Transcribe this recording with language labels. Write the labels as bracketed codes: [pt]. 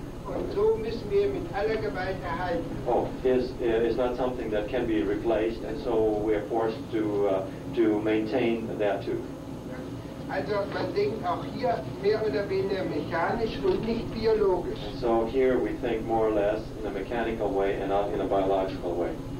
[de] Und so müssen wir mit aller Gewalt erhalten. [en] Oh, is not something that can be replaced, and so we are forced to maintain that tooth. [de] Also man denkt auch hier mehr oder weniger mechanisch und nicht biologisch. [en] So here we think more or less in a mechanical way and not in a biological way.